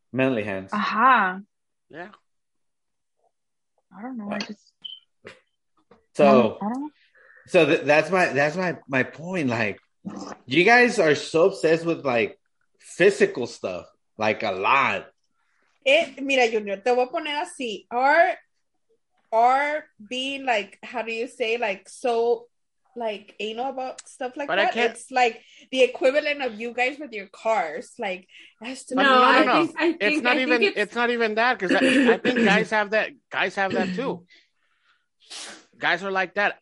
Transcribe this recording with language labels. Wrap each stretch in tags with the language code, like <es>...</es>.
<en>Manly hands. Aha. Uh-huh. Yeah. I don't know. I just... So... I don't know. So that's my point. Like, you guys are so obsessed with like physical stuff, like a lot.</en> <es>It, mira, Junior, te voy a poner así.</es> <en>Are being like, how do you say, like, so like anal about stuff like but that? It's like the equivalent of you guys with your cars. Like, it's not even that, because I think guys have that. Guys have that too. Guys are like that.</en>